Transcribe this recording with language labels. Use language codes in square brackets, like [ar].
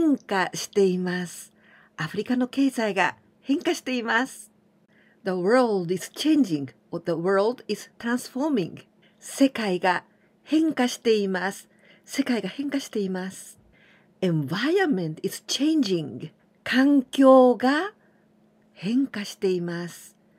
[ja] アフリカの経済が変化しています. アフリカの経済が変化しています. [en] The world is changing, or the world is transforming. [ja] 世界が変化しています.世界が変化しています. [en] Environment is changing. [ja] 環境が変化しています.